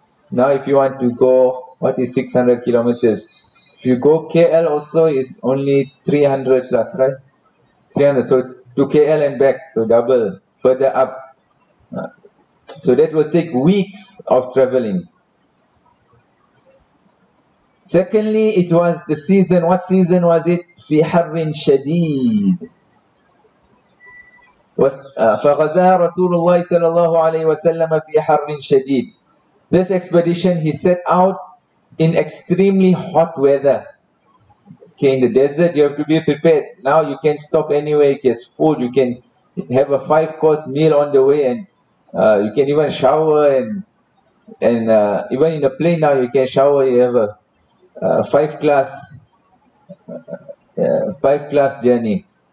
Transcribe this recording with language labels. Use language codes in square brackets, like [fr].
[en] Now if you want to go, what is 600 kilometers? If you go KL also, it's only 300 plus, right? 300, so to KL and back, so double, further up. So that will take weeks of traveling. Secondly, it was the season. What season was it? [ar] في حر شديد. فغزاها رسول الله صلى الله عليه وسلم في حر شديد. [en] This expedition, he set out in extremely hot weather. Okay, in the desert, you have to be prepared. Now you can stop anywhere, get food, you can have a 5-course meal on the way, and you can even shower, and even in the plane now you can shower, you have a five class journey.